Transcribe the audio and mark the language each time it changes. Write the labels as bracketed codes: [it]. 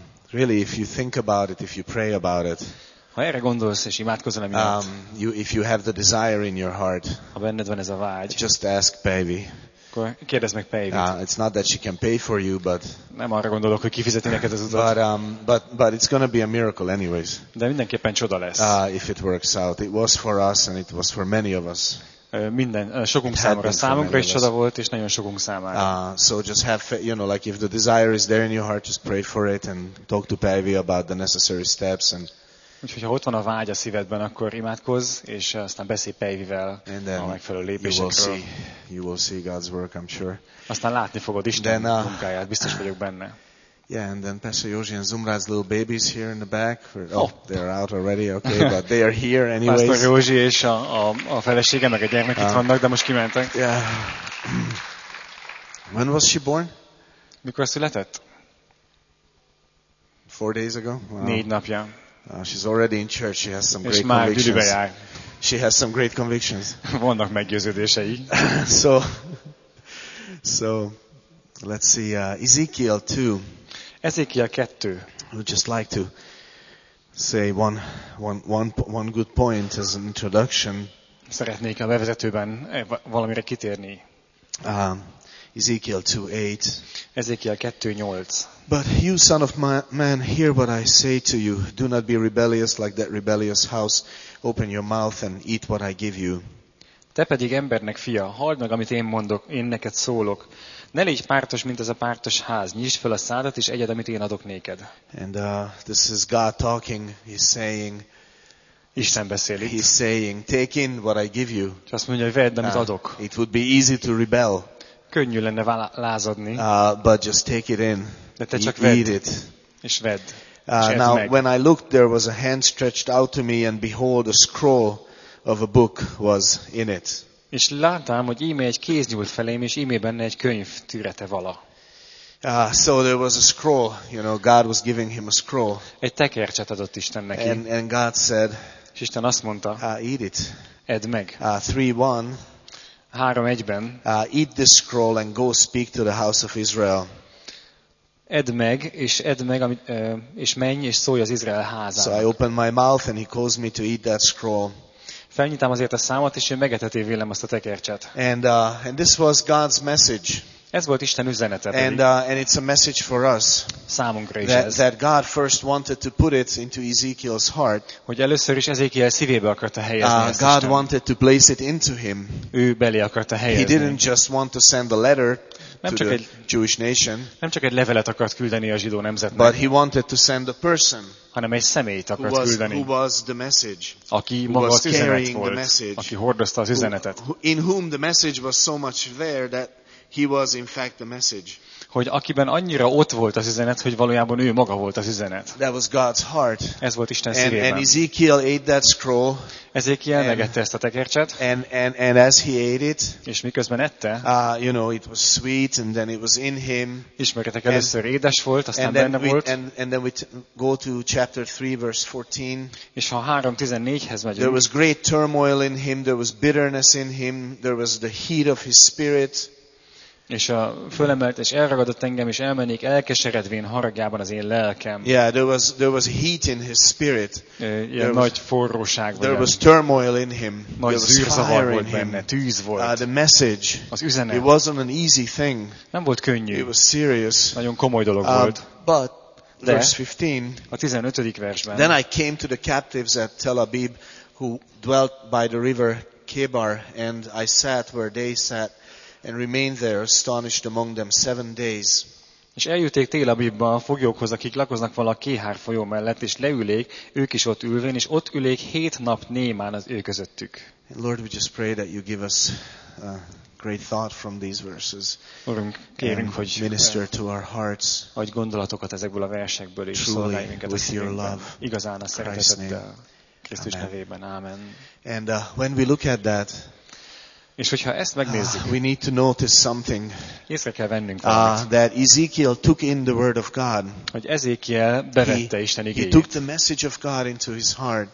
[en] Really, if you think about it, if you pray about it, [hu] ha erre gondolsz és imádkozol emiatt, [en] if you have the desire in your heart, [hu] ha benned van ez a vágy, [en] just ask baby. [hu] Akkor kérdezd meg Pavit. [en] It's not that she can pay for you, but [hu] nem arra gondolok, hogy kifizeti neked az utat. [en] But it's gonna be a miracle anyways. [hu] De mindenképpen csoda lesz. [en] If it works out, it was for us and it was for many of us. [hu] Minden sokunk számára, számunkra is csoda volt és nagyon sokunk számára. [en] So just have, you know, like if the desire is there in your heart, just pray for it and talk to Pavi about the necessary steps and. [hu] Úgyhogy ha ott van a vágy a szívedben, akkor imádkozz, és aztán beszélj Pavivel a megfelelő lépésekről. [en] You will see God's work, I'm sure. [hu] Aztán látni fogod Isten munkáját, biztos vagyok benne. [en] Yeah, and then Pastor Yoshi and Zumrad's little babies here in the back. They're out already, okay, but they are here anyways. [hu] Pastor Yoshi és a felesége meg a gyermek itt vannak, de most kimentek. [en] Yeah. When was she born? [hu] Mikor született? [en] 4 days ago. [hu] Wow. 4 napja. [en] She's already in church. She has some great convictions. She has some great convictions. [hu] Vannak meggyőződései. [en] So let's see. Ezekiel 2. [hu] Ezekiel 2. [en] I would just like to say one good point as an introduction. [hu] Szeretnék a bevezetőben valamire kitérni. [en] Ezekiel 2:8. [hu] Ezekiel 2:8. [en] But you, son of man, hear what I say to you. Do not be rebellious like that rebellious house. Open your mouth and eat what I give you. [hu] Te pedig embernek fia, halld meg, amit én mondok, én neked szólok. Ne légy pártos, mint ez a pártos ház. Nyisd fel a szádat, és egyed, amit én adok néked. [en] And this is God talking. He's saying, [hu] Isten beszél itt. [en] He's saying, take in what I give you. [hu] És azt mondja, hogy vedd, amit adok. [en] It would be easy to rebel. [hu] Könnyű lenne lázadni. [en] But just take it in. [hu] De te csak vedd, és vedd. [en] Now, when I looked, there was a hand stretched out to me, and behold, a scroll of a book was in it. [hu] És láttam, hogy íme egy kéz nyúlt felém, és íme benne egy könyv tűrete vala. [en] So there was a scroll, you know, God was giving him a scroll. [hu] Egy tekercset adott Isten neki. [en] And God said, [hu] és Isten azt mondta, [en] eat it. [hu] Edd meg. [en] 3:1. [hu] 3:1-ben. [en] Eat this scroll and go speak to the house of Israel. [hu] Edd meg, és menj, és szólj az Izrael házának. [en] So I opened my mouth, and he caused me to eat that scroll. [hu] Felnyitám azért a számot, és ő megeteté vélem azt a tekercset. [en] And this was God's message. [hu] Ez volt Isten üzenete. [en] And it's a message for us. [hu] Számunkra is [en] that, [hu] ez. [en] That God first wanted to put it into Ezekiel's heart. [hu] Hogy először is Ezekiel szívébe akarta helyezni ezt Isten. [en] God wanted to place it into him. [hu] Ő belé akarta helyezni. [en] He didn't just want to send a letter. [hu] Nem csak egy levelet akart küldeni a zsidó nemzetnek. [en] But he wanted to send a person. [hu] Hanem egy személyt akart küldeni. [en] Who was the message? [hu] Aki maga az üzenet volt. Aki hordozta az üzenetet. [en] In whom the message was so much there that he was in fact the message. [hu] Hogy akiben annyira ott volt az üzenet, hogy valójában ő maga volt az üzenet. [en] That was God's heart. [hu] Ez volt Isten szívében. [en] And Ezekiel ate that scroll. [hu] Ezekiel megette ezt a tekercset. [en] And as he ate it. [hu] És miközben ette. [en] You know, it was sweet and then it was in him. [hu] Ismeretek először édes volt, aztán benne volt. [en] And then we go to chapter 3 verse 14. [hu] És ha 3:14-hez megyünk. [en] There was great turmoil in him, there was bitterness in him, there was the heat of his spirit. [hu] És a fölemelt és elragadott engem és elmennék elkeseredvén haragjában az én lelkem. [en] Yeah, there was heat in his spirit. [hu] Nagy forróság volt. [en] There was turmoil in him. [hu] Nagy zűrzavar volt benne. Tűz volt. [en] The message. [hu] Az üzenet. [en] It wasn't an easy thing. [hu] Nem volt könnyű. [en] It was serious. [hu] Nagyon komoly dolog volt. [en] But verse 15. [hu] A 15. versben. [en] Then I came to the captives at Tel Abib, who dwelt by the river Kebar, and I sat where they sat. And remained there, astonished among them 7 days. [hu] És eljutték Tel Avivba a foglyokhoz, akik lakoznak vala a Kéhár folyó mellett, és leülék, ők is ott ülvén, és ott ülék 7 nap némán az ő közöttük. [en] Lord, we just pray that you give us great thought from these verses. [hu] Urunk, kérünk, hogy [en] minister to our hearts. [hu] Adj gondolatokat ezekből a versekből is, [en] truly with your love. [hu] Igazán a szeretetet Krisztus nevében. [en] Amen. And when we look at that, [hu] és hogyha ezt megnézzük, [en] we need to notice something. [hu] Észre kell vennünk [en] that Ezekiel took in the word of God. [hu] Hogy Ezekiel bevette Isten igéjét. [en] He took the message of God into his heart.